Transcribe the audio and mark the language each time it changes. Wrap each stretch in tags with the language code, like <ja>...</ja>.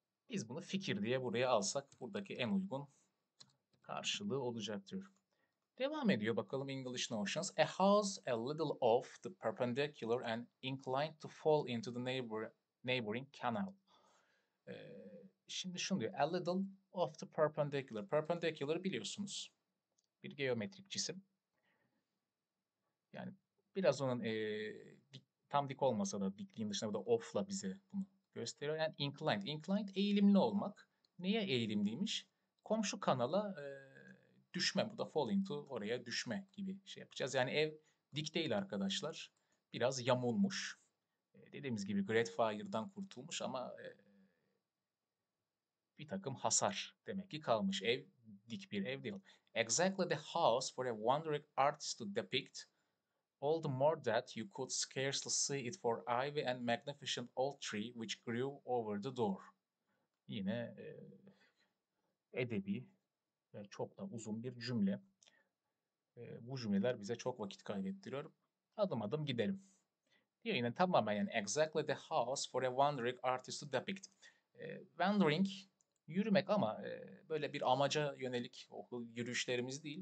<tr>Biz bunu fikir diye buraya alsak buradaki en uygun karşılığı olacaktır. Devam ediyor bakalım English notions.</tr> <en>A house a little off the perpendicular and inclined to fall into the neighboring canal.</en> <tr>Şimdi şunu diyor.</tr> <en>A little off the perpendicular.</en> <tr>Perpendicular biliyorsunuz. Bir geometrik cisim. Yani biraz onun tam dik olmasa da dikliğin dışında burada off'la bize bunu gösteriyor. Yani inclined. Inclined eğilimli olmak. Neye eğilimliymiş? Komşu kanala düşme. Bu da fall into, oraya düşme gibi şey yapacağız. Yani ev dik değil arkadaşlar. Biraz yamulmuş. Dediğimiz gibi Great Fire'dan kurtulmuş ama bir takım hasar demek ki kalmış. Ev dik bir ev değil.</tr> <en>Exactly the house for a wandering artist to depict. All the more that you could scarcely see it for ivy and magnificent old tree which grew over the door.</en> <tr>Yine edebi ve çok da uzun bir cümle. Bu cümleler bize çok vakit kaybettiriyor. Adım adım gidelim. Diyor yine tamamen yani</tr> <en>exactly the house for a wandering artist to depict.</en> <tr>Wandering, yürümek ama böyle bir amaca yönelik okul yürüyüşlerimiz değil.</tr>